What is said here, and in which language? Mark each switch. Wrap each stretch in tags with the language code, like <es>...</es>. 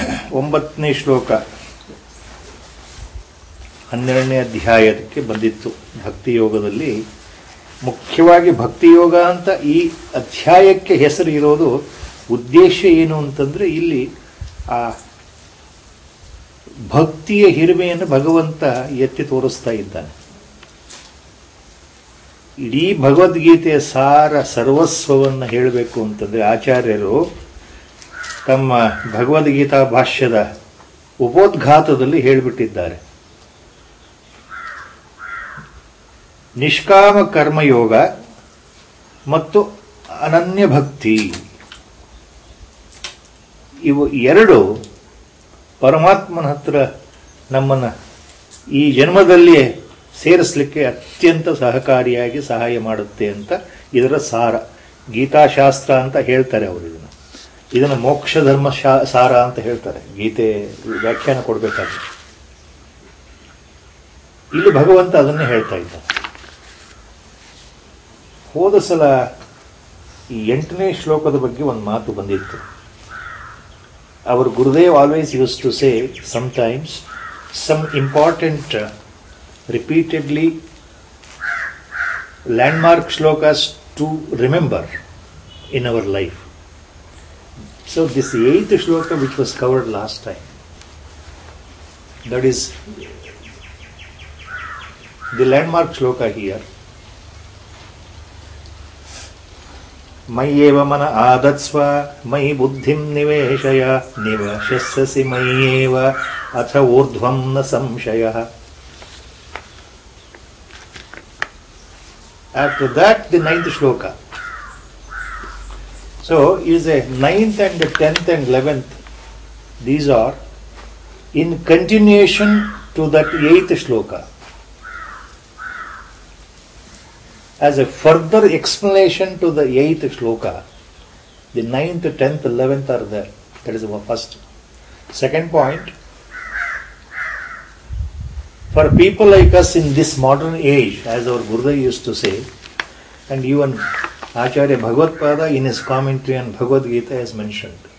<kn>9th shloka, 12th adhyayadakke bandittu Bhakti Yoga dalli. Mukhyavagi Bhakti Yoga anta ee adhyayakke hesaru irodu uddesha enu antandre illi aa ಭಕ್ತಿಯ ಹಿರಿಮೆಯನ್ನು ಭಗವಂತ ಎತ್ತಿ ತೋರಿಸ್ತಾ ಇದ್ದಾನೆ. ಇಡೀ ಭಗವದ್ಗೀತೆಯ ಸಾರ ಸರ್ವಸ್ವವನ್ನು ಹೇಳಬೇಕು ಅಂತಂದರೆ, ಆಚಾರ್ಯರು ತಮ್ಮ ಭಗವದ್ಗೀತಾ ಭಾಷ್ಯದ ಉಪೋದ್ಘಾತದಲ್ಲಿ ಹೇಳಿಬಿಟ್ಟಿದ್ದಾರೆ. ನಿಷ್ಕಾಮ ಕರ್ಮಯೋಗ ಮತ್ತು ಅನನ್ಯ ಭಕ್ತಿ, ಇವು ಎರಡು ಪರಮಾತ್ಮನ ಹತ್ರ ನಮ್ಮನ್ನು ಈ ಜನ್ಮದಲ್ಲಿಯೇ ಸೇರಿಸಲಿಕ್ಕೆ ಅತ್ಯಂತ ಸಹಕಾರಿಯಾಗಿ ಸಹಾಯ ಮಾಡುತ್ತೆ ಅಂತ ಇದರ ಸಾರ. ಗೀತಾಶಾಸ್ತ್ರ ಅಂತ ಹೇಳ್ತಾರೆ ಅವರು ಇದನ್ನು. ಇದನ್ನು ಮೋಕ್ಷ ಧರ್ಮ ಸಾರ ಅಂತ ಹೇಳ್ತಾರೆ. ಗೀತೆ ವ್ಯಾಖ್ಯಾನ ಕೊಡಬೇಕಾದ್ರೆ ಇಲ್ಲಿ ಭಗವಂತ ಅದನ್ನೇ ಹೇಳ್ತಾ ಇದ್ದ. ಹೋದ ಸಲ ಈ 8th ಶ್ಲೋಕದ ಬಗ್ಗೆ ಒಂದು ಮಾತು ಬಂದಿತ್ತು.</kn> <en>Our Gurudev always used to say sometimes some important repeatedly landmark shlokas to remember in our life. So this 8th shloka which was covered last time, that is the landmark shloka here.</en> <sa>ಮಯಿ ಏವ ಮನ ಆದತ್ಸ್ವ ಮಯಿ ಬುದ್ಧಿಂ ನಿವೇಶಯ ನಿವಶಸ್ಸಸಿ ಮಯಿ ಏವ ಅಥ ಊರ್ಧ್ವಂ ನ ಸಂಶಯ.</sa> <en>After that the 9th shloka. So is a 9th and 10th and 11th, these are in continuation to that 8th shloka. As a further explanation to the 8th shloka, the 9th, 10th, 11th are there. That is our first. Second point, for people like us in this modern age, as our Gurudev used to say, and even Acharya Bhagavatpada in his commentary on Bhagavad Gita has mentioned,</en>